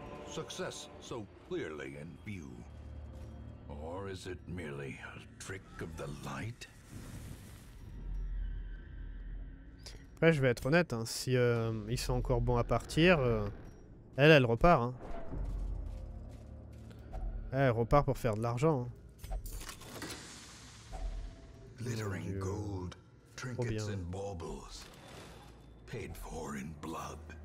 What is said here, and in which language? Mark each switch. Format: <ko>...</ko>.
<en>Success so clearly in view, or is it merely a trick of the light?</en> <fr>Après, je vais être honnête, hein, si ils sont encore bons à partir, elle repart. Hein. Elle repart pour faire de l'argent. Hein.</fr> <en>Glittering gold, trinkets and baubles, paid for in blood.</en>